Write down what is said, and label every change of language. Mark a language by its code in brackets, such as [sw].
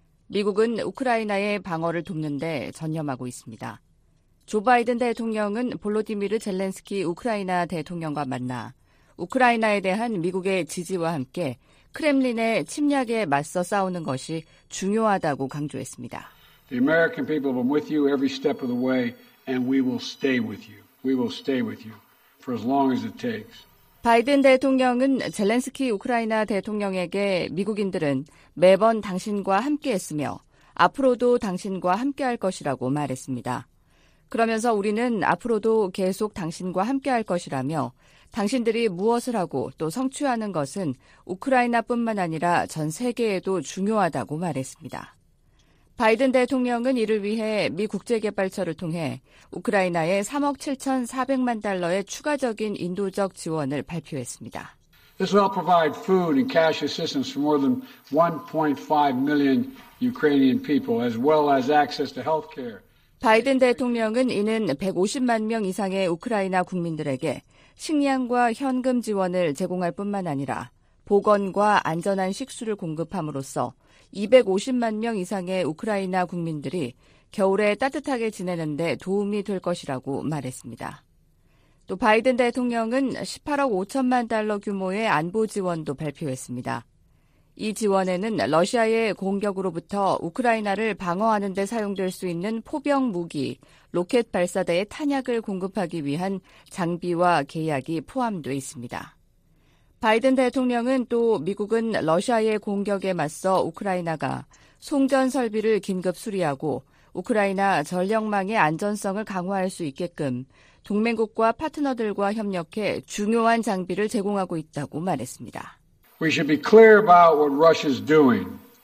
[ko] 미국은 우크라이나의 방어를 돕는데 전념하고 있습니다. 조 바이든 대통령은 볼로디미르 젤렌스키 우크라이나 대통령과 만나 우크라이나에 대한 미국의 지지와 함께 크렘린의 침략에 맞서 싸우는 것이 중요하다고 강조했습니다. [en] The American people have been with you every step of the way and we will stay with you. We will stay with you for as long as it takes. [ko] 바이든 대통령은 젤렌스키 우크라이나 대통령에게 미국인들은 매번 당신과 함께했으며 앞으로도 당신과 함께할 것이라고 말했습니다. 그러면서 우리는 앞으로도 계속 당신과 함께할 것이라며 당신들이 무엇을 하고 또 성취하는 것은 우크라이나뿐만 아니라 전 세계에도 중요하다고 말했습니다. 바이든 대통령은 이를 위해 미 국제개발처를 통해 우크라이나에 3억 7,400만 달러의 추가적인 인도적 지원을 발표했습니다. [en] This will provide food and cash assistance for more than 1.5 million Ukrainian people, as well as access to healthcare. [ko] 바이든 대통령은 이는 150만 명 이상의 우크라이나 국민들에게 식량과 현금 지원을 제공할 뿐만 아니라 보건과 안전한 식수를 공급함으로써 250만 명 이상의 우크라이나 국민들이 겨울에 따뜻하게 지내는 데 도움이 될 것이라고 말했습니다. 또 바이든 대통령은 18억 5천만 달러 규모의 안보 지원도 발표했습니다. 이 지원에는 러시아의 공격으로부터 우크라이나를 방어하는 데 사용될 수 있는 포병 무기, 로켓 발사대의 탄약을 공급하기 위한 장비와 계약이 포함돼 있습니다. 바이든 대통령은 또 미국은 러시아의 공격에 맞서 우크라이나가 송전 설비를 긴급 수리하고 우크라이나 전력망의 안전성을 강화할 수 있게끔 동맹국과 파트너들과 협력해 중요한 장비를 제공하고 있다고 말했습니다. [en] We should be clear about what Russia is doing.